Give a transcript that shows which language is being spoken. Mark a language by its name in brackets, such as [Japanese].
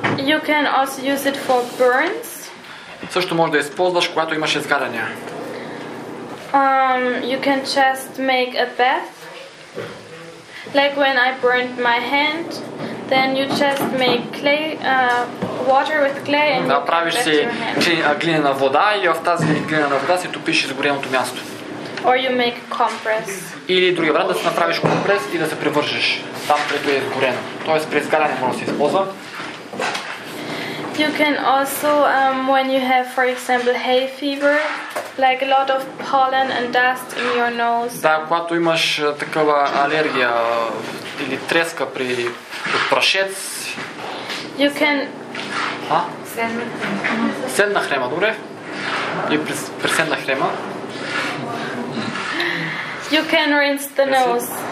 [English] You can also use it for burns. [Bulgarian] Също може да използваш, когато имаш изгаряния. [English] You can just make a bath. Like when I burned my hand, then you just make clay, water with clay and [Bulgarian] да, правиш си глинена вода и в тази глинена вода си топиш изгореното място. [English] Or you make compress. [Bulgarian] Или другия вариант, да си направиш компрес и да се превържеш там, където е изгорено. Тоест при изгаряне може да се използва. [English] You can also when you have for example hay fever, like a lot of pollen and dust in your nose. [Bulgarian] Да, когато имаш такава алергия или треска при от прашец. [English] You can [Bulgarian] Седна хрема, добре. И при седна хрема. [English] You can rinse the nose.